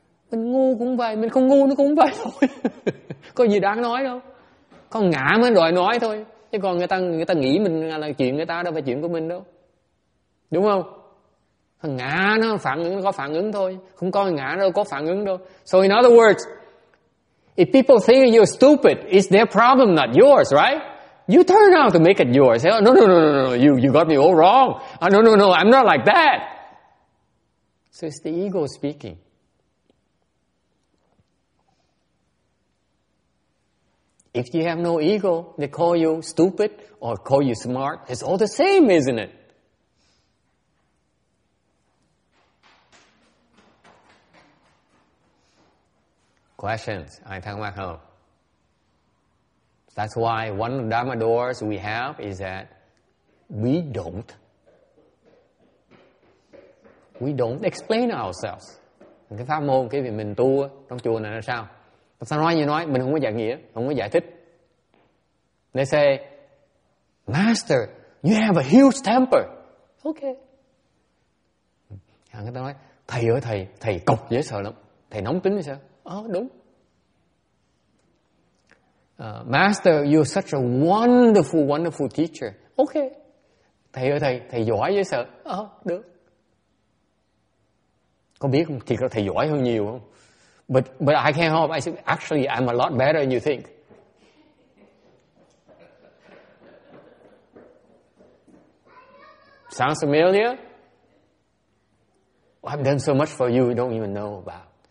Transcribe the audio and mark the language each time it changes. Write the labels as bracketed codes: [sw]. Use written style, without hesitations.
[vi] Mình ngu cũng vậy, mình không ngu nó cũng vậy thôi. Có gì đáng nói đâu. Có ngã mới rồi nói thôi. Chứ còn người ta nghĩ mình là chuyện người ta đâu phải chuyện của mình đâu. Đúng không? Thằng ngã nó phản ứng, nó có phản ứng thôi. Không có ngã đâu có phản ứng đâu. [en] So in other words, if people think you're stupid, it's their problem, not yours, right? You turn out to make it yours. Say, oh, no, you got me all wrong. Oh, no, I'm not like that. So it's the ego speaking. If you have no ego, they call you stupid or call you smart. It's all the same, isn't it? Questions? [vi] Ai thắc mắc không? [en] That's why one of the Dharma doors we have is that we don't explain ourselves. [vi] Cái pháp môn, cái việc mình tu trong chùa này là sao? Tại sao nói như nói? Mình không có giải nghĩa, không có giải thích. [en] They say, Master, you have a huge temper. Okay. [vi] Người ta nói, thầy ơi thầy cọc dễ sợ lắm. Thầy nóng tính hay sao? Đúng. [en] Master, you're such a wonderful, wonderful teacher. Okay. [vi] Thầy ơi thầy giỏi dễ sợ. Được. Có biết không? Thiệt là thầy giỏi hơn nhiều không? [en] But I can't help. I said, actually, I'm a lot better than you think. Sounds familiar? Well, I've done so much for you, you don't even know about.